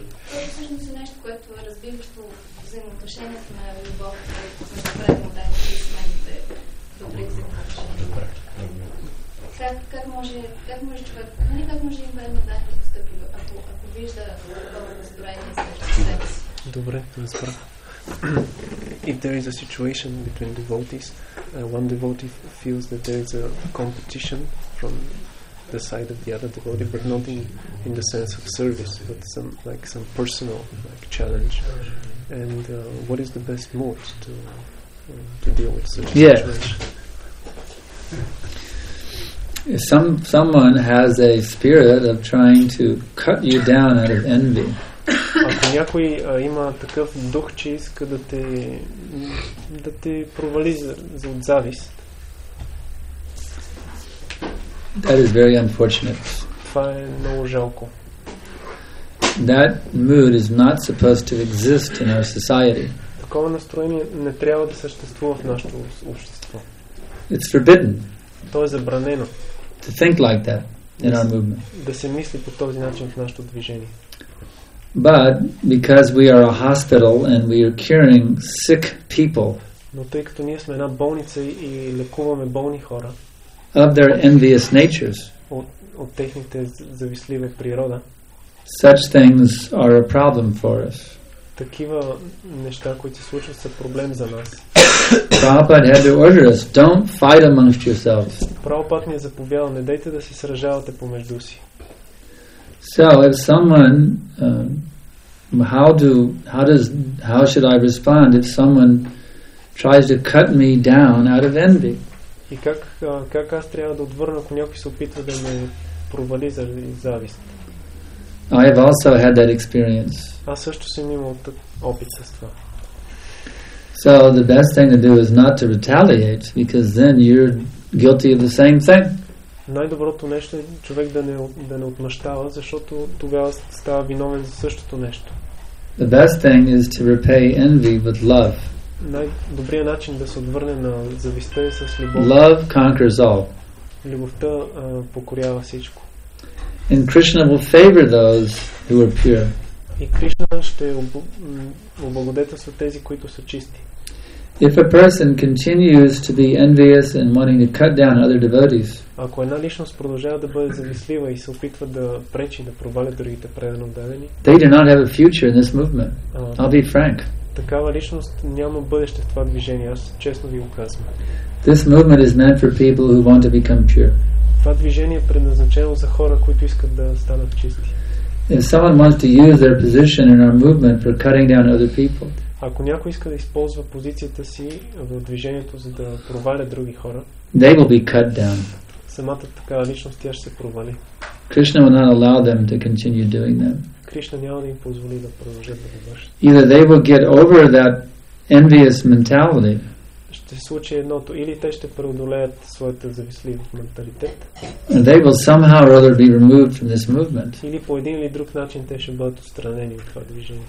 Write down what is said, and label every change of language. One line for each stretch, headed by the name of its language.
Bulgarian: То е всъщност нещо, което е разбиващо взаимоотношението на любовта и преподаването и смените добри взаимоотношения. Как може човек, нали как може им време да е постъпил, ако вижда това настроение срещу себе си? Добре, разбрах.
English: If there is a situation between devotees, one devotee feels that there is a competition from the side of the other devotee, but not in the sense of service, but some personal challenge. And what is the best mode to deal with such a situation? Someone has a spirit of trying to cut you down out of envy.
Bulgarian: Ако някой има такъв дух, че иска да те провали за завист.
English: That is very unfortunate.
Bulgarian: Това е много жалко.
English: That mood is not supposed to exist in our society.
Bulgarian: Такова настроение не трябва да съществува в нашето общество.
English: It's forbidden.
Bulgarian: То е забранено.
English: To think like that in our movement.
Bulgarian: Да се мисли по този начин в нашето движение.
English: But because we are a hospital and we are curing sick people,
Bulgarian: но тъй като ние сме една болница и лекуваме болни хора,
English: of their envious natures,
Bulgarian: от техните завистливи природа,
English: such things are a problem for us.
Bulgarian: Такива неща, които се случват, са проблем за нас.
English: Prabhupada had to order us, don't fight amongst yourselves.
Bulgarian: Прабхупада ни е заповядал, не дейте да се сражавате помежду си.
English: So if someone how should I respond if someone tries to cut me down out of envy?
Bulgarian: И как аз трябва да отвърна, ако някой се опитва да ме провали заради завист?
English: I have also had that experience.
Bulgarian: Аз също съм имал опит с това.
English: So the best thing to do is not to retaliate, because then you're guilty of the same thing.
Bulgarian: Най-доброто нещо е човек да не отмъщава, защото тогава става виновен за същото нещо.
English: The best thing is to repay envy with love.
Bulgarian: Най-добрият начин да се отвърне на завистта е с любов.
English: Love conquers all.
Bulgarian: Любовта покорява всичко.
English: And Krishna will favor those who are pure.
Bulgarian: И Кришна ще облагодетелства тези, които са чисти.
English: If a person continues to be envious and wanting to cut down other devotees,
Bulgarian: ако една личност продължава да бъде завистлива и се опитва да пречи, да проваля другите предано отдадени,
English: they do not have a future in this movement. I'll be frank.
Bulgarian: Такава личност няма бъдеще в това движение, аз честно ви го казвам.
English: This movement is meant for people who want to become pure.
Bulgarian: Това движение е предназначено за хора, които искат да станат чисти.
English: If someone wants to use their position in our movement for cutting down other people,
Bulgarian: ако някой иска да използва позицията си в движението, за да проваля други хора,
English: they will be cut down.
Bulgarian: Самата такава личност, тя ще се провали.
English: Krishna will not allow them to continue doing that.
Bulgarian: Кришна няма да им позволи да продължат да го вършат.
English: Either they will get over that envious mentality.
Bulgarian: Ще се случи едното, или те ще преодолеят своята завистлива менталитет.
English: And they will somehow or other be removed from this movement.
Bulgarian: Или по един или друг начин те ще бъдат отстранени от това движение.